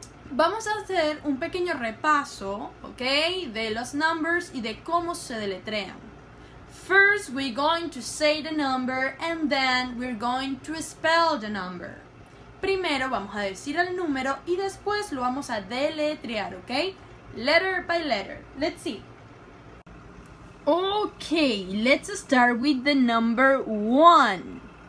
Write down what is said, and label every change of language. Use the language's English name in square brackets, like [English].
[Spanish] Vamos a hacer un pequeño repaso, ¿ok? De los numbers y de cómo se deletrean. [English] First, we're going to say the number and then we're going to spell the number. [Spanish] Primero vamos a decir el número y después lo vamos a deletrear, ¿ok? [English] Letter by letter. Let's see. Ok, let's start with the number one.